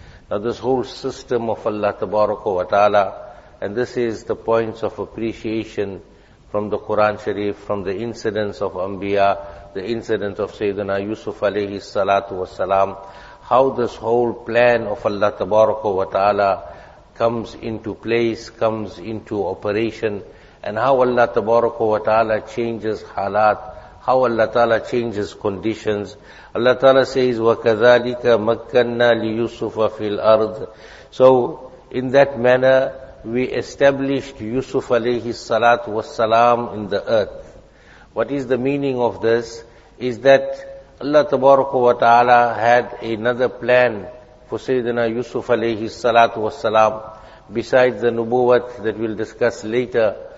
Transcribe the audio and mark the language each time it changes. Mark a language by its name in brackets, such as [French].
[English] Now this whole system of Allah Tabaraka wa Ta'ala, and this is the points of appreciation from the Quran Sharif, from the incidents of Anbiya, the incidents of Sayyidina Yusuf alayhi salatu wa salam, how this whole plan of Allah Tabaraka wa Ta'ala comes into place, comes into operation, and how Allah Tabaraka wa Ta'ala changes halat, how Allah Ta'ala changes conditions. Allah Ta'ala says, [Arabic] وَكَذَلِكَ مَكَّنَّا لِيُسُفَ فِي الْأَرْضِ. [English] So, in that manner, we established Yusuf alayhi salatu wassalam in the earth. What is the meaning of this? Is that Allah Tabaraka wa Ta'ala had another plan for Sayyidina Yusuf alayhi salatu wassalam, besides the nubuwat that we'll discuss later.